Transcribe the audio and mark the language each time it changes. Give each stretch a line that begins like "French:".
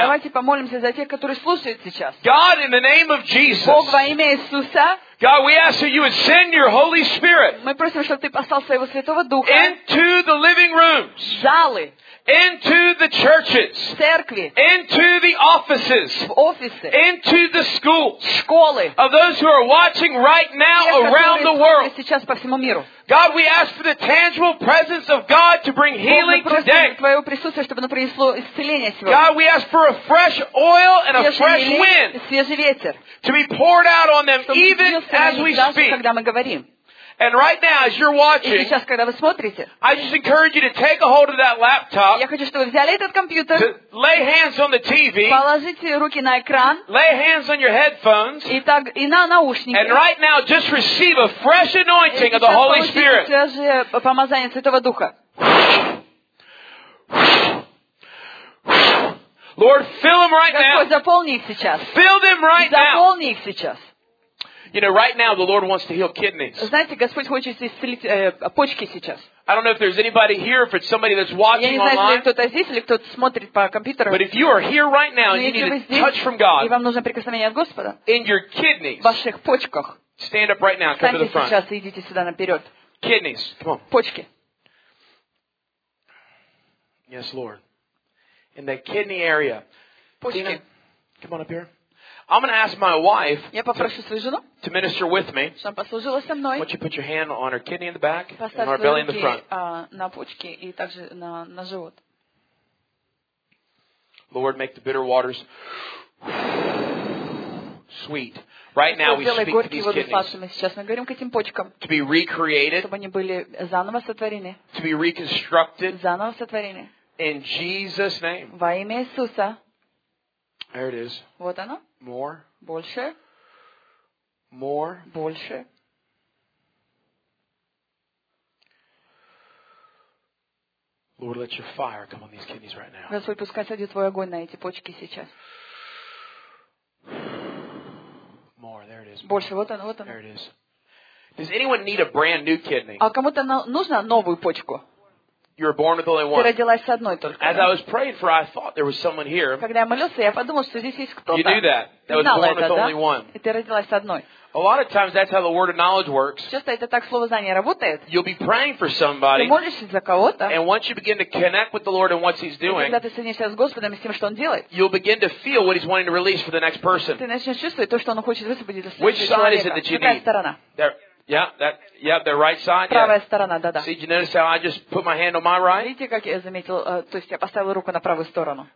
Russian: Давайте помолимся за тех, которые слушают сейчас.
English: God, in the name of Jesus.
Russian: Бог во имя Иисуса.
English: God, we ask that you would send your Holy Spirit.
Russian: Мы просим, чтобы ты послал своего Святого Духа.
English: Into the living rooms.
Russian: Залы.
English: Into the churches.
Russian: Церкви.
English: Into the offices.
Russian: В офисы.
English: Into the schools.
Russian: Школы.
English: Of those who are watching right now around the world.
Russian: Сейчас по всему миру.
English: God, we ask for the tangible presence of God to bring healing today.
Russian: Твоего присутствия, чтобы оно принесло исцеление сегодня.
English: God, we ask for a fresh oil and a fresh wind.
Russian: Свежий ветер.
English: To be poured out on them even
Russian: говорим.
English: And right now, as you're watching,
Russian: сейчас, когда вы смотрите,
English: I just encourage you to take a hold of that laptop,
Russian: я хочу, чтобы вы взяли этот компьютер,
English: lay hands on the TV,
Russian: положите руки на экран,
English: lay hands on your headphones,
Russian: и так, и на наушники,
English: and right now, just receive a fresh anointing of the Holy Spirit.
Russian: И сейчас получите свежее помазание Святого Духа.
English: Lord, fill them right now.
Russian: Господь, заполни их сейчас.
English: Fill them right now.
Russian: Заполни их сейчас.
English: You know, right now the Lord wants to heal kidneys.
Russian: Знаете, Господь хочет исцелить почки сейчас.
English: I don't know if there's anybody here, if it's somebody that's watching online.
Russian: Я не знаю, если кто-то здесь или кто-то смотрит по компьютеру.
English: But if you are here right now, you need a touch from God.
Russian: И вам нужно прикосновение от Господа.
English: In your kidneys.
Russian: В ваших почках.
English: Stand up right now. Come to the front.
Russian: Встаньте сейчас и идите сюда наперед.
English: Kidneys. Come on.
Russian: Почки.
English: Yes, Lord. In the kidney area.
Russian: Почки.
English: Come on up here. I'm going to ask my wife to minister with me. Why don't you put your hand on her kidney in the back and her belly in the front.
Russian: На почки и также на живот.
English: Lord, make the bitter waters sweet. Right now we speak to these kidneys to be recreated, to be reconstructed in Jesus' name.
Russian: Во имя Иисуса.
English: There it is.
Russian: Вот оно.
English: More.
Russian: Больше.
English: More.
Russian: Больше.
English: Lord, let your fire come on these kidneys right now.
Russian: Господь, пускай сойдет твой огонь на эти почки сейчас.
English: More. There it is.
Russian: Больше. Вот оно. Вот оно.
English: There it is. Does anyone need a brand new kidney?
Russian: А кому-то нужно новую почку?
English: You were born with only one.
Russian: Ты родилась с одной только.
English: As I was praying for, I thought there was someone here.
Russian: Когда я молился, я подумал, что здесь есть кто-то.
English: You knew that. That was born with only one.
Russian: И ты родилась с одной.
English: A lot of times that's how the word of knowledge works.
Russian: Часто это так слово знание работает.
English: You'll be praying for somebody.
Russian: Ты молишься за кого-то.
English: And once you begin to connect with the Lord and what He's doing.
Russian: Когда ты соединишься с Господом и с тем, что Он делает.
English: You'll begin to feel what He's wanting to release for the next person.
Russian: Ты начнешь чувствовать то, что Он хочет высвободить для следующего человека.
English: Which side is it that you need?
Russian: Какая сторона?
English: There. Yeah, that. Yeah, the right side.
Russian: Правая
English: yeah.
Russian: сторона, да-да.
English: See, you notice how I just put my hand on my right.
Russian: Видите, как я заметил, то есть я поставил руку на правую сторону.